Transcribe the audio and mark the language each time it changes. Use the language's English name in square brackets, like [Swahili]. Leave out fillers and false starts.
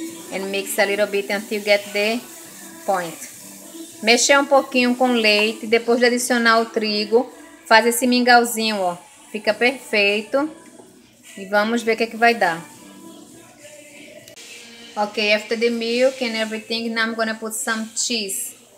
[English] And mix a little bit until get the point. [Portuguese] Mexer um pouquinho com leite, depois de adicionar o trigo, faz esse mingauzinho, ó. Fica perfeito. E vamos ver o que é que vai dar. [English] Ok, after the milk and everything, now I'm gonna put some cheese.